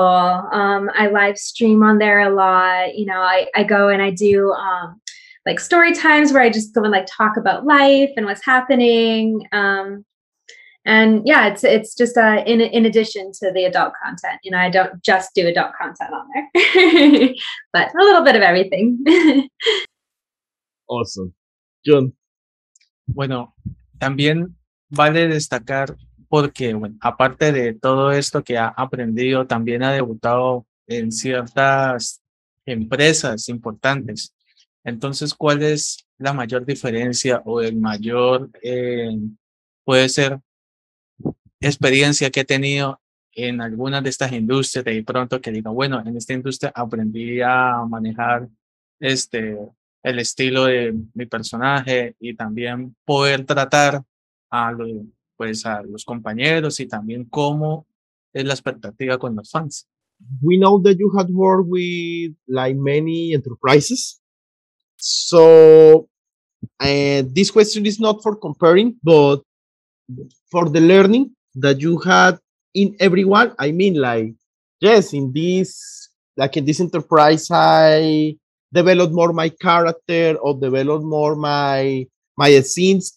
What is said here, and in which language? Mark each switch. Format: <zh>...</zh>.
<en>I live stream on there a lot. You know, I go and I do like story times where I just go and like talk about life and what's happening. And yeah, it's just in addition to the adult content. You know, I don't just do adult content on there, but a little bit of everything. Awesome. John.</en> <es>Bueno, también vale destacar porque, bueno, aparte de todo esto que ha aprendido, también ha debutado en ciertas empresas importantes. Entonces, ¿cuál es la mayor diferencia o el mayor, puede ser, experiencia que he tenido en alguna de estas industrias de pronto que diga, bueno, en esta industria aprendí a manejar este el estilo de mi personaje y también poder tratar a los, pues, a los compañeros y también cómo es la expectativa con los fans?</es> <en>We know that you had worked with like many enterprises. So this question is not for comparing, but for the learning that you had in everyone. I mean, like, yes, in this, like in this enterprise, I developed more my character or developed more my scenes.</en>